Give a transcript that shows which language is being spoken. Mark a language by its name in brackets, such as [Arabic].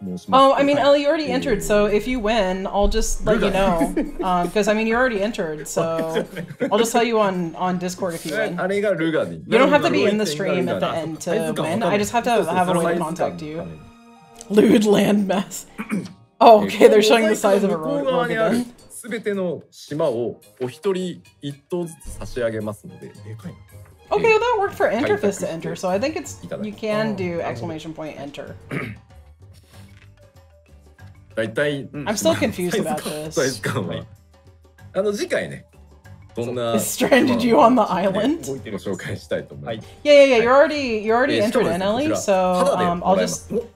[English] Oh, I mean, Ellie, you already entered, so if you win, I'll just let you know. Because, I mean, you already entered, so I'll just tell you on Discord if you win. You don't have to be in the stream at the end to win. I just have a way to contact you. Lewd land mass. Oh, okay, they're showing the size of a rock. Well, again. [Japanese] 全ての島をお一人一棟ずつ差し上げますので。 [English] Okay, well, that worked for Interface to enter, so I think it's you can do exclamation point enter. I'm still confused about this. [Japanese] サイズ感は、次回ね、 [English] stranded you on the island? You're already entered in, Ellie, so I'll just...